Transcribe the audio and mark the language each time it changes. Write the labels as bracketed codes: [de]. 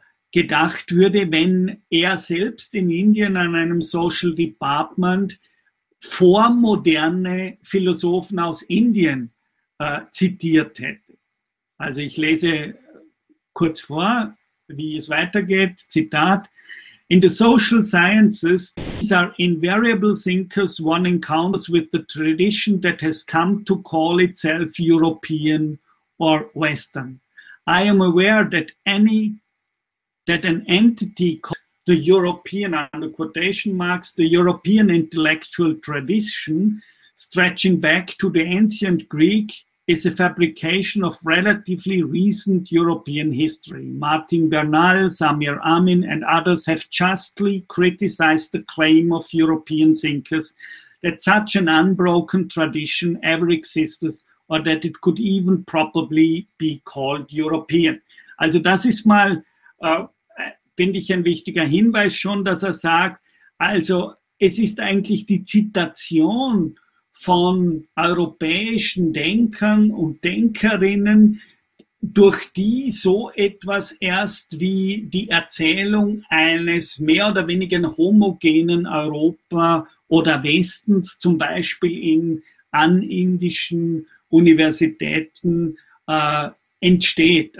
[de] gedacht würde, wenn er selbst in Indien an einem Social Department vormoderne Philosophen aus Indien zitiert hätte. Also ich lese kurz vor, wie es weitergeht. [en] Zitat: In the social sciences, these are invariable thinkers one encounters with the tradition that has come to call itself European or Western. I am aware that an entity called the European, under quotation marks, the European intellectual tradition, stretching back to the ancient Greek, is a fabrication of relatively recent European history. Martin Bernal, Samir Amin, and others have justly criticized the claim of European thinkers that such an unbroken tradition ever existed or that it could even probably be called European. [de] Also das ist mal, finde ich, ein wichtiger Hinweis schon, dass er sagt, also es ist eigentlich die Zitation von europäischen Denkern und Denkerinnen, durch die so etwas erst wie die Erzählung eines mehr oder weniger homogenen Europa oder Westens, zum Beispiel in anindischen Universitäten, entsteht.